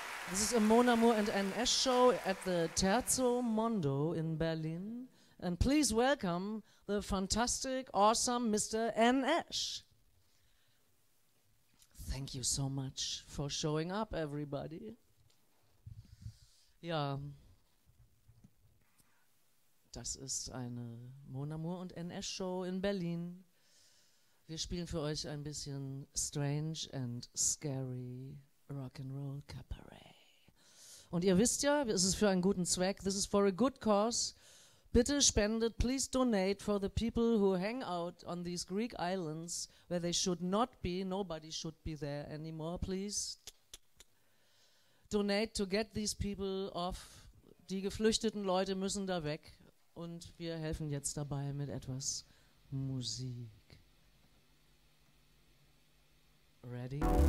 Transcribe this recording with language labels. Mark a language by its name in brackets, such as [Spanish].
[English] This is a Mon Amour and NS show at the Terzo Mondo in Berlin. And please welcome the fantastic, awesome Mr. NS. Thank you so much for showing up, everybody. [German] Ja, das ist eine Mon Amour und NS show in Berlin. Wir spielen für euch ein bisschen [English] strange and scary Rock'n'Roll Cabaret. [German] Und ihr wisst ja, es ist für einen guten Zweck. [English] This is for a good cause. [German] Bitte spendet, [English] please donate for the people who hang out on these Greek islands where they should not be. Nobody should be there anymore, please. Donate to get these people off. [German] Die geflüchteten Leute müssen da weg. Und wir helfen jetzt dabei mit etwas Musik. [English] Ready?